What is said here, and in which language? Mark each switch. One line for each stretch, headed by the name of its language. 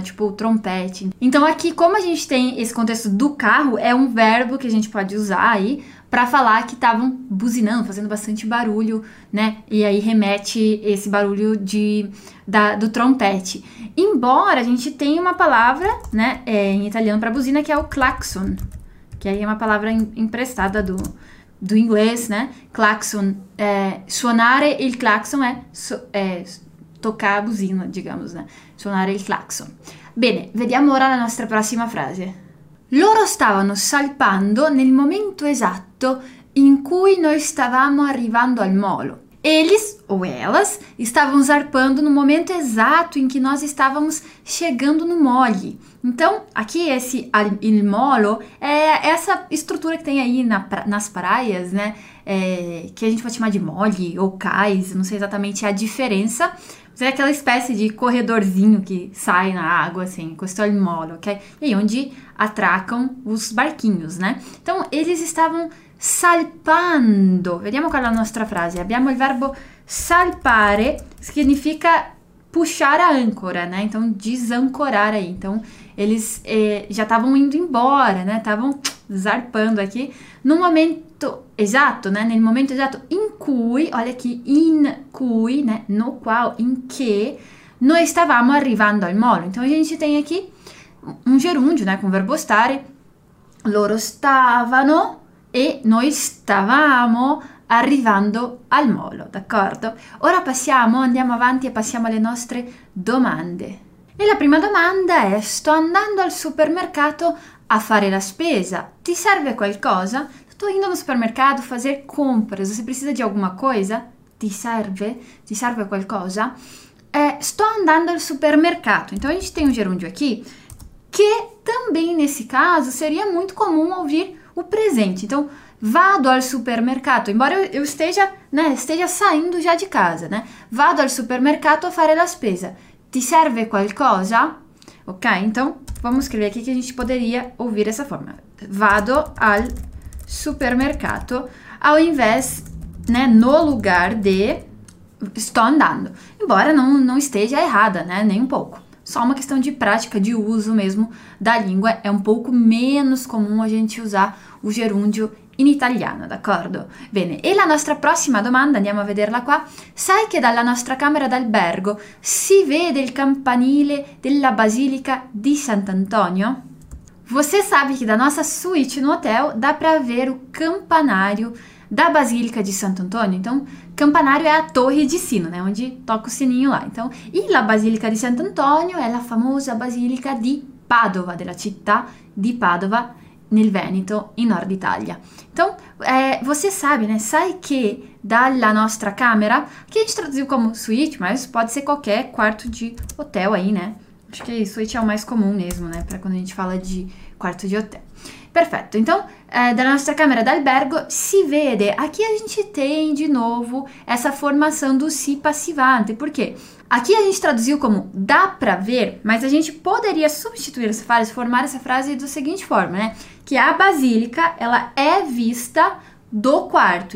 Portuguese: Tipo trompete. Então, aqui, como a gente tem esse contexto do carro, é um verbo que a gente pode usar aí para falar que estavam buzinando, fazendo bastante barulho, né? E aí remete esse barulho do trompete. Embora a gente tenha uma palavra, né, em italiano para buzina, que é o klaxon, que aí é uma palavra emprestada do inglês, né?
Italian: Klaxon, suonare il klaxon è toccare a buzina,
Portuguese: digamos, né?
Italian: Suonare il klaxon. Bene, vediamo ora la nostra prossima frase. Loro stavano salpando nel momento esatto in cui noi stavamo arrivando al molo.
Portuguese: Eles, ou elas,
Italian: stavano
Portuguese: zarpando no momento
Italian: esatto in cui noi stavamo
Portuguese: chegando no mole. Então, aqui esse il molo é essa estrutura que tem aí nas praias, né? Que a gente pode chamar de mole ou cais, não sei exatamente a diferença. Mas é aquela espécie de corredorzinho que sai na água, assim,
Italian: questo è il molo,
Portuguese: ok? E aí, onde atracam os barquinhos, né? Então, eles estavam salpando.
Italian: Vediamo qual è la nostra frase. Abbiamo il verbo salpare,
Portuguese: significa puxar a âncora, né? Então, desancorar aí. Então, eles já estavam indo embora, né? Estavam zarpando aqui. No momento exato, né?
Italian: Nel momento exato in cui,
Portuguese: olha aqui,
Italian: in cui, né? No qual, in che, noi stavamo arrivando al molo.
Portuguese: Então, a gente tem aqui um gerúndio, né? Com o verbo stare.
Italian: Loro stavano e noi stavamo arrivando al molo, d'accordo? Ora passiamo, andiamo avanti e passiamo alle nostre domande. E la prima domanda è: sto andando al supermercato a fare la spesa. Ti serve qualcosa?
Portuguese: Sto indo
Italian: al supermercato a fare compras.
Portuguese: Se precisa di alguma cosa?
Italian: Ti serve? Ti serve qualcosa? Sto andando al supermercato.
Portuguese: Então a gente tem um gerúndio aqui che também nesse caso seria
Italian: molto comum
Portuguese: ouvir o presente. Então,
Italian: vado al supermercato,
Portuguese: embora eu esteja, né, esteja saindo já de casa, né?
Italian: Vado al supermercato a fare la spesa. Ti serve qualcosa?
Portuguese: Ok, então vamos escrever aqui que a gente poderia ouvir essa forma.
Italian: Vado al supermercato,
Portuguese: ao invés, né, no lugar de
Italian: sto andando.
Portuguese: Embora não esteja errada, né, nem um pouco. Só uma questão de prática, de uso mesmo da língua. É um pouco menos comum a gente usar o gerúndio
Italian: in italiano, d'accordo? Bene, e la nostra prossima domanda, andiamo a vederla qua. Sai che dalla nostra camera d'albergo si vede il campanile della Basilica di Sant'Antonio?
Portuguese: Você sabe
Italian: che da nostra
Portuguese: suite no hotel dá para ver o campanário da Basílica de Santo Antônio? Então, campanário é a torre de sino, né? Onde toca o sininho lá. Então,
Italian: e la Basílica de Santo Antônio é la famosa Basílica di Padova, della città di Padova, nel Veneto, in Nord Italia.
Portuguese: Então, você sabe, né?
Italian: Sai che dalla nostra camera,
Portuguese: che a gente traduziu como suíte, mas pode ser qualquer quarto de hotel aí, né? Acho que suíte é o mais comum mesmo, né? Para quando a gente fala de quarto de hotel.
Italian: Perfetto,
Portuguese: então,
Italian: dalla nostra camera d'albergo si vede.
Portuguese: Aqui a gente tem de novo essa formação do si passivante, por quê? Aqui a gente traduziu como dá pra ver, mas a gente poderia substituir essa frase, formar essa frase da seguinte forma, né? Que a basílica, ela é vista do quarto.